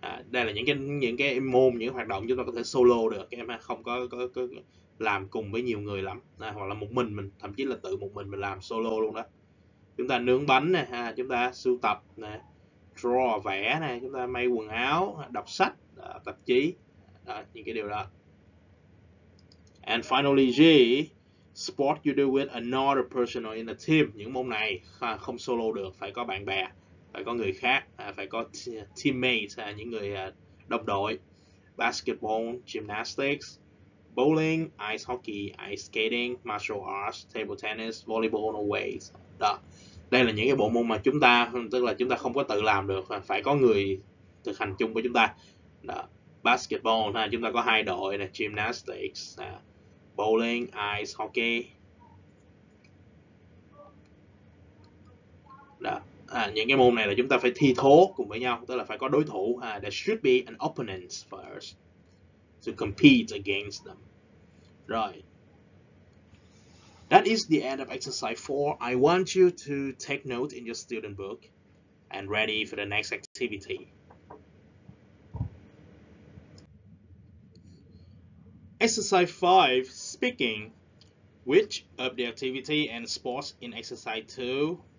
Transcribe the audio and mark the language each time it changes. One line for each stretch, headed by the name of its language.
Vietnamese: Đây là những cái môn, những hoạt động chúng ta có thể solo được, các em không có làm cùng với nhiều người lắm, hoặc là một mình, thậm chí là tự một mình làm solo luôn đó. Chúng ta nướng bánh nè, chúng ta sưu tập nè, draw vẽ nè, chúng ta may quần áo, đọc sách, tạp chí, những cái điều đó.
English: And finally G, sport you do with another person or in a team.
Vietnamese: Những môn này không solo được, phải có bạn bè, phải có người khác, phải có teammates, những người đồng đội.
English: Basketball, gymnastics, bowling, ice hockey, ice skating, martial arts, table tennis, volleyball, no weights. Đó.
Vietnamese: Đây là những cái bộ môn mà chúng ta không có tự làm được, phải có người thực hành chung với chúng ta. Đó. Basketball, chúng ta có hai đội là gymnastics, bowling, ice hockey. Đó. Những cái môn này là chúng ta phải thi thố cùng với nhau, tức là phải có đối thủ,
English: there should be an opponent first to compete against them.
Vietnamese: Rồi.
English: That is the end of exercise 4. I want you to take note in your student book and ready for the next activity. Exercise 5, speaking. Which of the activity and sports in exercise 2?